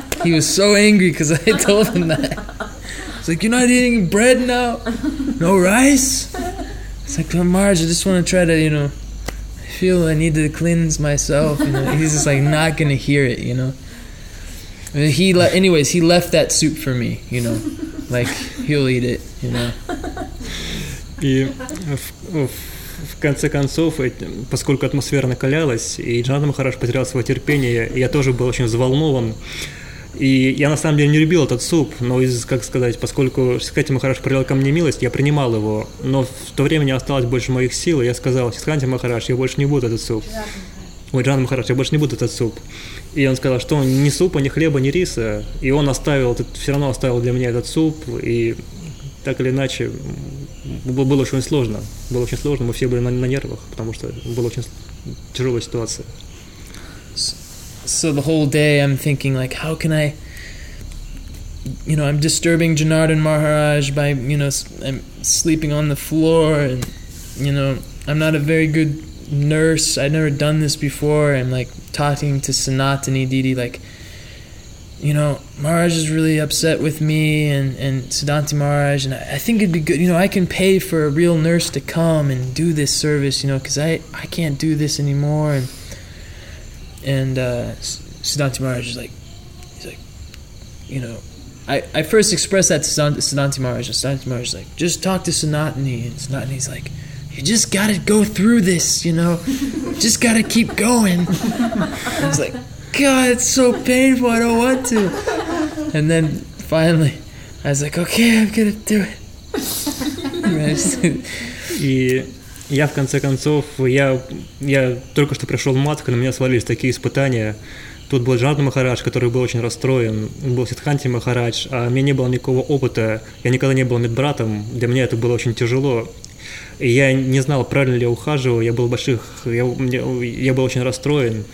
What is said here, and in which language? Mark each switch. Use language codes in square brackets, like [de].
[en] He was so angry because I told him that. It's like, "You're not eating bread now? No rice?" It's like, "Oh, Marge, I just want to try to, you know, I feel I need to cleanse myself." You know? He's just like, not going to hear it, you know? Anyways, he left that soup for me, you know? Like, he'll eat it, you know? [ru] И в конце концов, поскольку атмосфера накалялась, и Джанат Махарадж потерял свое терпение, я тоже был очень взволнован. И я на самом деле не любил этот суп, но поскольку Сиканти Махарадж проявил ко мне милость, я принимал его. Но в то время не осталось больше моих сил, и я сказал: «Сиканти Махарадж, я больше не буду этот суп». Ой, Джанард Махарадж, я больше не буду этот суп. И он сказал, что ни супа, ни хлеба, ни риса. И он все равно оставил для меня этот суп, и так или иначе, было очень сложно. Было очень сложно, мы все были на нервах, потому что была очень тяжелая ситуация. [en] So the whole day I'm thinking like, how can I, you know, I'm disturbing Janard and Maharaj by, you know, I'm sleeping on the floor and, you know, I'm not a very good nurse. I've never done this before. I'm like talking to Sanatani Didi like, you know, Maharaj is really upset with me and Siddhanti Maharaj. And I think it'd be good, you know, I can pay for a real nurse to come and do this service, you know, because I can't do this anymore. And Siddhanti Maharaj is like, you know, I first expressed that to Siddhanti Maharaj, and Siddhanti Maharaj is like, "Just talk to Sanatani." And Sanatani's like, "You just gotta go through this, you know, just gotta keep going." And I was like, "God, it's so painful, I don't want to." And then finally, I was like, "Okay, I'm gonna do it." [ru] Я, в конце концов, я только что пришел в Матху, на меня свалились такие испытания. Тут был Джанард Махарадж, который был очень расстроен, был Сиддханти Махарадж, а у меня не было никакого опыта, я никогда не был медбратом, для меня это было очень тяжело. И я не знал, правильно ли я ухаживаю, я был очень расстроен.